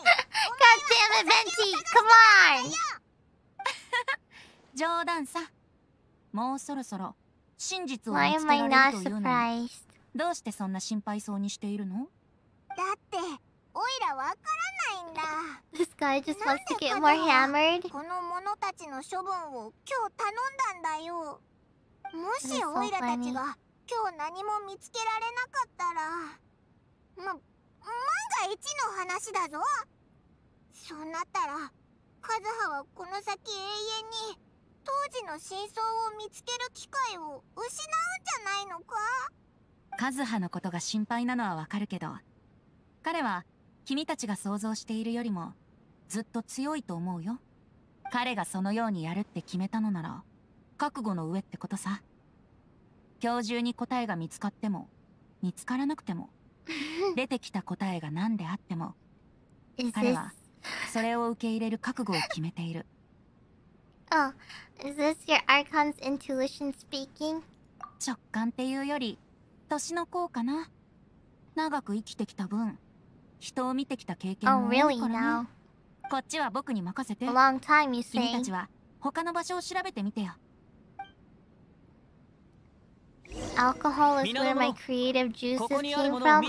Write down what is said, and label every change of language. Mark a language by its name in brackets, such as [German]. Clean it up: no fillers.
[English] God damn it, Venti! Come on! [Japanese] 冗談さ。もうそろそろ真実を見つけられるというのに、どうしてそんな心配そうにしているの？だって、オイラわからないんだ。 [English] This guy just wants to get more hammered. [Japanese] この者たちの処分を今日頼んだんだよ。もしオイラたちが今日何も見つけられなかったら、万が一の話だぞ。そうなったらカズハはこの先永遠に当時の真相を見つける機会を失うんじゃないのか。カズハのことが心配なのはわかるけど、彼は君たちが想像しているよりもずっと強いと思うよ。彼がそのようにやるって決めたのなら覚悟の上ってことさ。今日中に答えが見つかっても見つからなくても出てきた答えが何であっても彼はそれを受け入れる覚悟を決めている。 [English] あ、oh, is this your Archon's intuition speaking? [Japanese] 直感っていうより年の功かな。長く生きてきた分人を見てきた経験も多いからね。こっちは僕に任せて。 [English] Long time you say. [Japanese] 君たちは他の場所を調べてみてよ。 [English] Alcohol is where my creative juices came from.